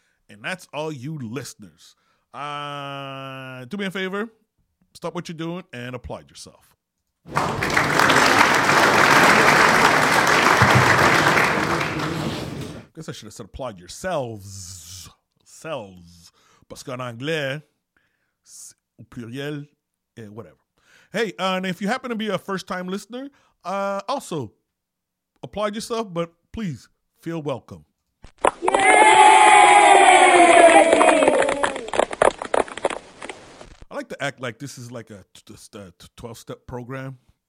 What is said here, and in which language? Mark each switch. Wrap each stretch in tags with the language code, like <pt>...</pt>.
<en>And that's all you listeners. Do me a favor, stop what you're doing and applaud yourself. I guess I should have said applaud yourselves. Selves.</en> <fr>Parce qu'en anglais, au pluriel, whatever.</fr> <en>Hey, and if you happen to be a first-time listener, also applaud yourself, but please feel welcome. I like to act like this is like a 12-step program.</en>